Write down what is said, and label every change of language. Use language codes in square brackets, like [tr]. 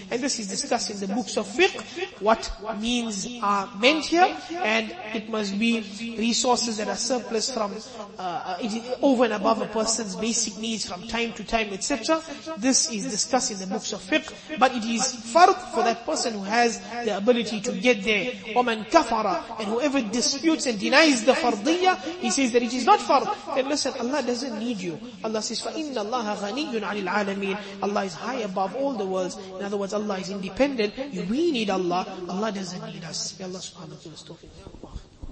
[en] And this is discussed in the books of fiqh, what means are meant here, and it must be resources that are surplus from over and above a person's basic needs from time to time, etc. This is discussed in the books of fiqh, but it is fard for that person who has the ability to get there. [ar] وَمَنْ كَفَرَ. [en] And whoever disputes and denies the fardiyya, he says that it is not fard. Then listen, Allah doesn't need you. Allah says, [ar] فَإِنَّ اللَّهَ غَنِيٌّ عَنِ الْعَالَمِينَ. [en] Allah is high above all the worlds. In other words, Allah is independent. We need Allah. Allah doesn't need us. May Allah subhanahu wa ta'ala.